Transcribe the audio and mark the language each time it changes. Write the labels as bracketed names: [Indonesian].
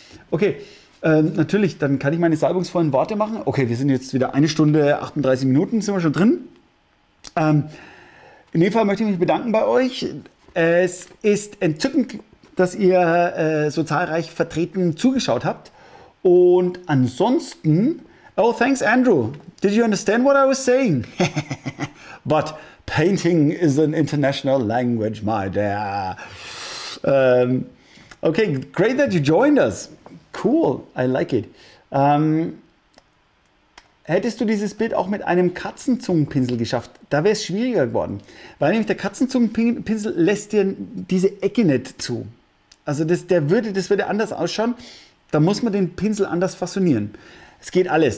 [German] Okay, natürlich, dann kann ich meine salbungsvollen Worte machen. Okay, wir sind jetzt wieder eine Stunde, 38 Minuten sind wir schon drin. In dem Fall möchte ich mich bedanken bei euch. Es ist entzückend, dass ihr so zahlreich vertreten zugeschaut habt. Und ansonsten... [English] Oh, thanks, Andrew. Did you understand what I was saying? But painting is an international language, my dear. Okay, great that you joined us. Cool, I like it. [German] Hättest du dieses Bild auch mit einem Katzenzungenpinsel geschafft, da wäre es schwieriger geworden. Weil nämlich der Katzenzungenpinsel lässt dir diese Ecke nicht zu. Also das würde anders ausschauen. Da muss man den Pinsel anders fasonieren. Es geht alles.